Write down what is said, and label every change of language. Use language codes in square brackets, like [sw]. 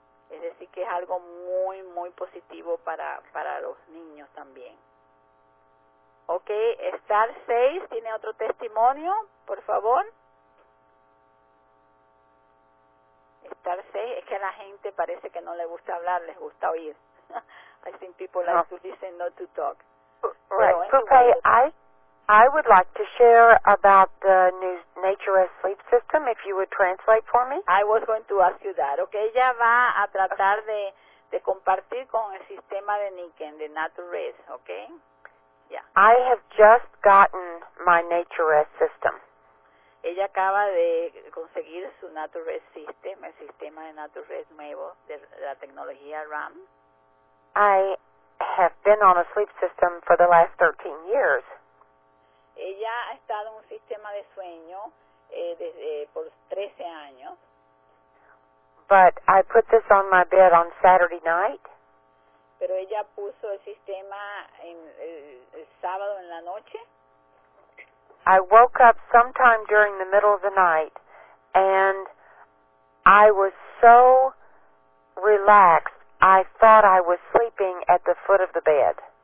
[es] Es decir que es algo muy, muy positivo para los niños también. Ok, Star 6, ¿tiene otro testimonio, por favor? Star 6, es que a la gente parece que no le gusta hablar, les gusta oír. [en] I think people like to listen, not to talk. Okay, I would like to share about the new Naturist sleep system, if you would translate for me. I was going to ask you that. [es] Okay, ella va a tratar de compartir con el sistema de Niken, de Naturist, okay? Yeah. [en] I have just gotten my Naturist system. [es] Ella acaba de conseguir su [en] Naturist system, [es] el sistema de Naturist nuevo, de la tecnología RAM. [en] I have been on a sleep system for the last 13 years. [es] Ella ha estado en un sistema de sueño por 13 años. [en] But I put this on my bed on Saturday night. [es] Pero ella puso el sistema el sábado en la noche. [en] I woke up sometime during the middle of the night and I was so relaxed, I thought I was sleeping at the foot of the bed.